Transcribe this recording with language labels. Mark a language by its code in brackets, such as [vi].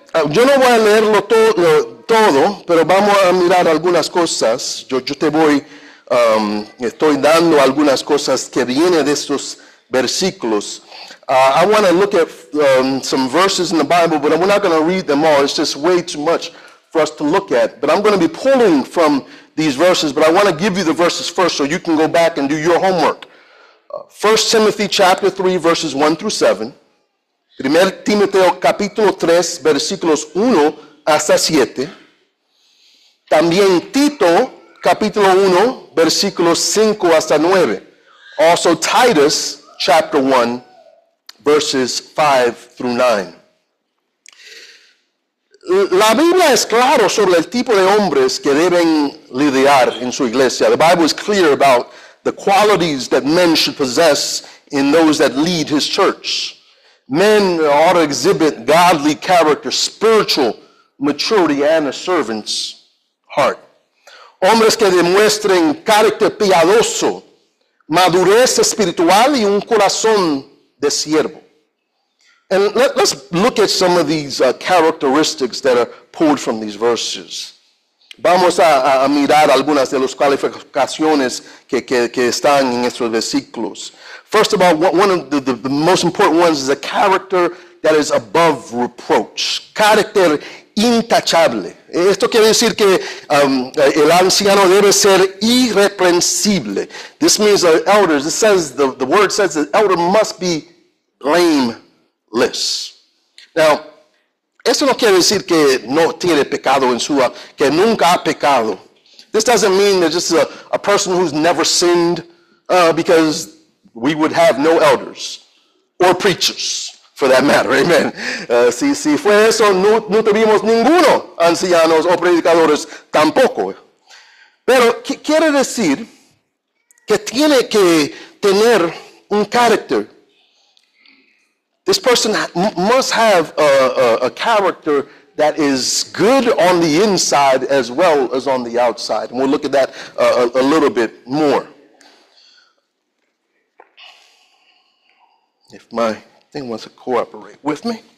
[es] Yo no voy a leerlo todo, pero vamos a mirar algunas cosas. Yo te voy, estoy dando algunas cosas que vienen de estos versículos. [en] I want to look at some verses in the Bible, but we're not going to read them all. It's just way too much for us to look at. But I'm going to be pulling from these verses, but I want to give you the verses first so you can go back and do your homework. 1 Timothy chapter 3, verses 1 through 7. [es] 1 Timoteo capítulo 3, versículos 1 hasta 7. También Tito capítulo 1, versículos 5 hasta 9. [en] Also Titus chapter 1, verses 5 through 9. [es] La Biblia es claro sobre el tipo de hombres que deben lidiar en su iglesia. [en] The Bible is clear about the qualities that men should possess in those that lead his church. Men ought to exhibit godly character, spiritual maturity, and a servant's heart. [es] Hombres que demuestren carácter piadoso, madurez espiritual y un corazón de siervo. [en] And let's look at some of these characteristics that are pulled from these verses. [es] Vamos a mirar algunas de las cualificaciones que están en estos versículos. [en] First of all, one of the most important ones is a character that is above reproach. [es] Carácter intachable. Esto quiere decir que el anciano debe ser irreprensible. [en] This means the elders. It says the word says the elder must be blameless. [es] Now, esto no quiere decir que no tiene pecado en su que nunca ha pecado. [en] This doesn't mean that just a person who's never sinned because we would have no elders or preachers, for that matter. Amen. [es] Si fue eso, no tuvimos ninguno ancianos o predicadores tampoco. Pero quiere decir que tiene que tener un carácter. [en] This person must have a character that is good on the inside as well as on the outside. And we'll look at that a little bit more. If my thing wants to cooperate with me.